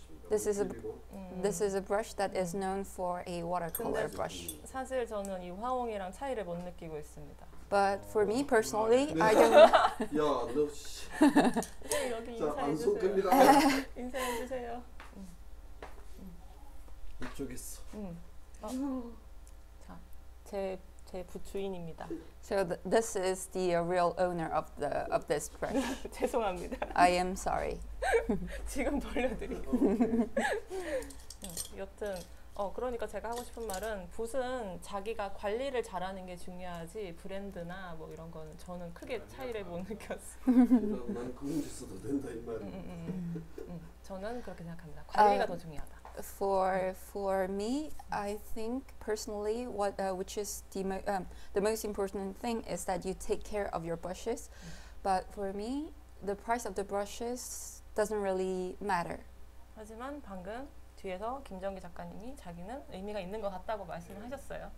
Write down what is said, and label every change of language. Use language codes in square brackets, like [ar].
[en] This is a brush that is known for a watercolor brush. [ko] 사실 저는 이 화홍이랑 차이를 못 느끼고 있습니다. [en] But for me personally, 아, 네. I don't. [ko] 야, 너 씨. 여기 인사해 주세요. 인사해 주세요. 이쪽 있어. 자, 제 부주인입니다. [en] So this is the real owner of this brush. [ko] 죄송합니다. [en] I am sorry. [ko] 지금 돌려드릴게요. 여튼 그러니까 제가 하고 싶은 말은 붓은 자기가 관리를 잘하는 게 중요하지 브랜드나 뭐 이런 거는 저는 크게 차이를 못 느꼈어. 난 그 문제 써도 된다 이 말. 저는 그렇게 생각합니다. 관리가 더 중요하다. [en] For me, I think personally, the most important thing is that you take care of your brushes. But for me, the price of the brushes doesn't really matter. [ko] 하지만 방금 뒤에서 김정기 작가님이 자기는 의미가 있는 것 같다고 말씀하셨어요.